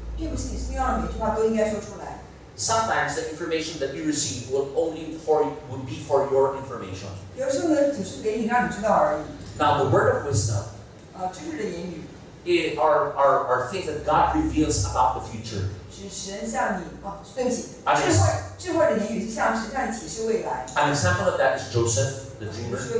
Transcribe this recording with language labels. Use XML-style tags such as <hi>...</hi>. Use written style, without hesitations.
<en>Sometimes the information that you receive will only for would be for your information. Now the word of wisdom are things that God reveals about the future.</en> <zh>智慧的言语是像是像启示未来。</zh> <en>An example of that is Joseph, the dreamer.</en>